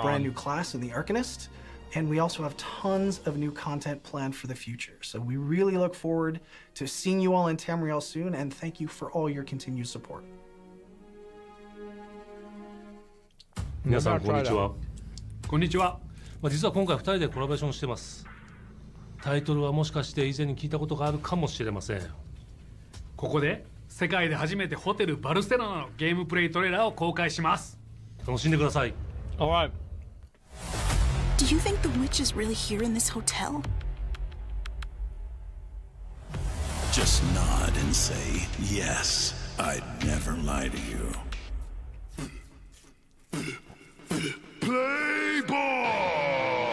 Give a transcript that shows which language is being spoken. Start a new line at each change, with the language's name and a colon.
English: a brand new class in the Arcanist. And we also have tons of new content planned for the future. So we really look forward to seeing you all in Tamriel soon, and thank you for all your continued support. Hello, everyone. Hello. Well, actually, we're doing a collaboration today. The title
Japanese: は もしかして以前に聞いたことがあるかもしれません。ここで世界で初めてホテルバルセロナのゲームプレイトレーラーを公開します。楽しんでください。
English: All right. Do you think the witch is really here in this hotel? Just nod and say, yes, I'd never lie to you. Play ball!